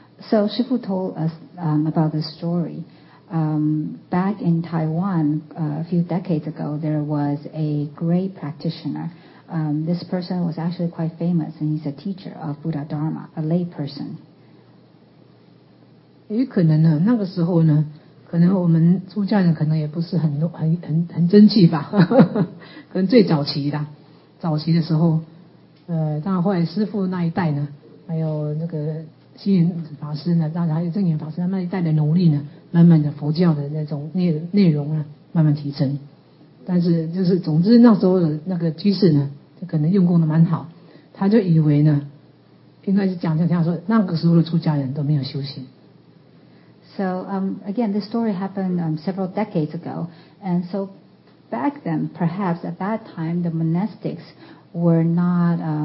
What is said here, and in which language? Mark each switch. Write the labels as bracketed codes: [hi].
[en] So, 师父 told us about the story. Back in Taiwan, a few decades ago, there was a great practitioner. This person was actually quite famous, and he's a teacher of Buddha Dharma, a lay person. [zh] 也可能呢，那个时候呢，可能我们出家人可能也不是很争气吧，可能最早期的，早期的时候，当然后来师父那一代呢，还有那个星云法师呢，当然还有正言法师，他们那一代的奴隶呢。慢慢的佛教的那种内容呢慢慢提升，但是就是总之那时候的那个居士呢，他可能用功的蛮好，他就以为呢，应该是讲这样说，那个时候的出家人都没有修行。 [en] So again, this story happened several decades ago, and so back then, perhaps at that time, the monastics were not